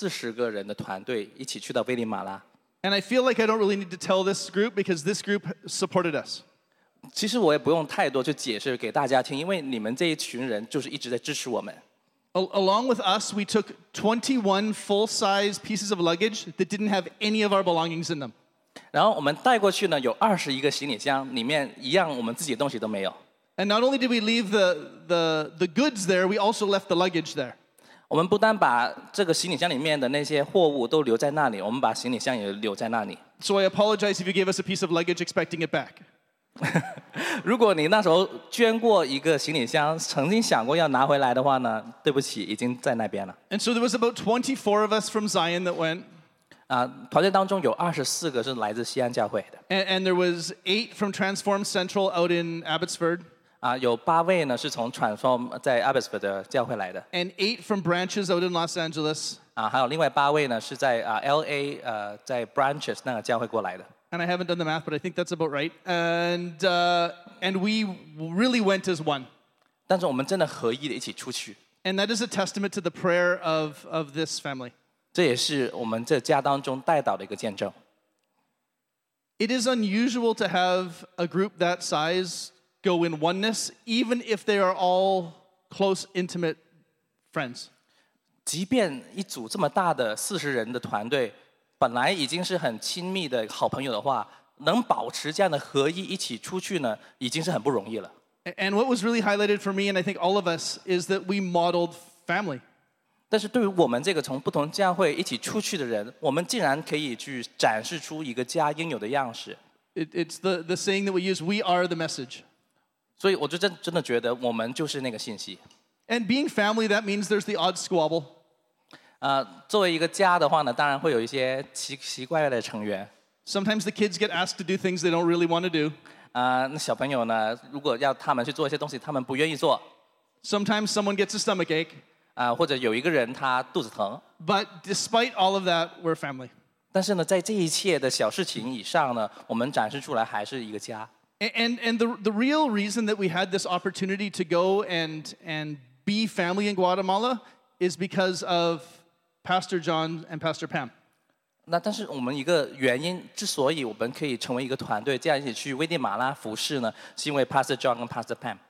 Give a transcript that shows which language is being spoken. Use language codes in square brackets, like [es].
[zh] 3周前，我们有40个人的团队一起去到危地马拉。 [en] And I feel like I don't really need to tell this group because this group supported us. [zh] 其实我也不用太多去解释给大家听，因为你们这一群人就是一直在支持我们。 [en] Along with us, we took 21 full-size pieces of luggage that didn't have any of our belongings in them. [zh] 然后我们带过去呢，有21个行李箱，里面一样我们自己的东西都没有。 [en] And not only did we leave the goods there, we also left the luggage there. [zh] 我们不但把这个行李箱里面的那些货物都留在那里，我们把行李箱也留在那里。 [en] So I apologize if you gave us a piece of luggage expecting it back. [zh] 如果你那时候捐过一个行李箱，曾经想过要拿回来的话呢，对不起，已经在那边了。 [en] And so there was about 24 of us from Zion that went. [zh] 团队当中有24个是来自西安教会的。 [en] And there was 8 from Transform Central out in Abbotsford. [zh] 有八位呢是从 Transform 在 Abbotsford 的教会来的。 [en] And 8 from branches out in Los Angeles. [zh] 还有另外八位呢是在LA 在 branches 那个教会过来的。 [en] And I haven't done the math, but I think that's about right. And we really went as one. [zh] 但是我们真的合一地一起出去。 [en] And that is a testament to the prayer of this family. [zh] 这也是我们这家当中带导的一个见证。 [en] It is unusual to have a group that size go in oneness, even if they are all close, intimate friends. [zh] 即便一组这么大的四十人的团队本来已经是很亲密的好朋友的话，能保持这样的合一一起出去呢，已经是很不容易了。 [en] And what was really highlighted for me, and I think all of us, is that we modeled family. [zh] 但是对于我们这个从不同教会一起出去的人，我们竟然可以去展示出一个家应有的样式。 [en] It's the saying that we use, we are the message. [zh] 所以我就真的觉得我们就是那个信息。 [en] And being family, that means there's the odd squabble. [zh] 作为一个家的话呢，当然会有一些奇怪的成员。 [en] Sometimes the kids get asked to do things they don't really want to do. [zh] 那小朋友呢，如果要他们去做一些东西，他们不愿意做。 [en] Sometimes someone gets a stomach ache. [zh] 或者有一个人他肚子疼。 [en] But despite all of that, we're family. [zh] 但是呢，在这一切的小事情以上呢，我们展示出来还是一个家。 [en] And the real reason that we had this opportunity to go and be family in Guatemala. Is because of Pastor John and Pastor Pam. [zh] 那但是我们一个原因，之所以我们可以成为一个团队，这样一起去危地马拉服事呢，是因为 Pastor John 跟 Pastor Pam.